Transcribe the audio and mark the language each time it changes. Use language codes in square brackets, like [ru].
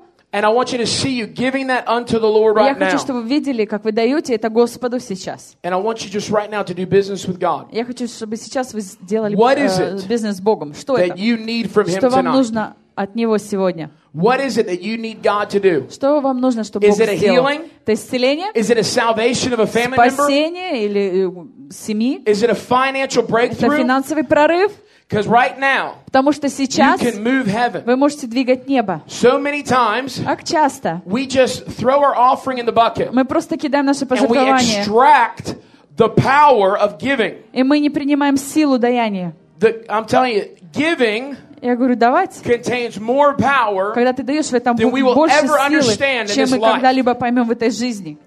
[en] And I want you to see you giving that unto the Lord right [ru] now. Я хочу, [en] now. [ru] Чтобы вы видели, как вы даете это Господу сейчас. [en] And I want you just right now to do business with God. [ru] Я хочу, чтобы сейчас вы сделали бизнес с Богом. Что [en] that [ru] это? [en] That you need from [ru] что [en] Him tonight. [ru] Что вам нужно от Него сегодня? [en] What is it that you need God to do? [ru] Что вам нужно, чтобы Бог сделал? [en] Is it a healing? [ru] Это исцеление? [en] Is it a salvation of a family [ru] спасение [en] member? [ru] Спасение или семьи? [en] Is it a financial breakthrough? [ru] Это финансовый прорыв? [en] Because right now, [ru] потому что сейчас [en] you can move heaven. [ru] Вы можете двигать небо. [en] So many times, [ru] так часто [en] we just throw our offering in the bucket, [ru] мы просто кидаем наше пожертвование [en] and we extract the power of giving. [ru] И мы не принимаем силу даяния. [en] I'm telling you, giving, [ru] я говорю, давать, [en] contains more power, [ru] когда ты даешь, в этом [en] than we will [ru] больше [en] ever [ru] силы, [en] understand [ru] чем [en] in this [ru] мы когда-либо поймем в этой жизни.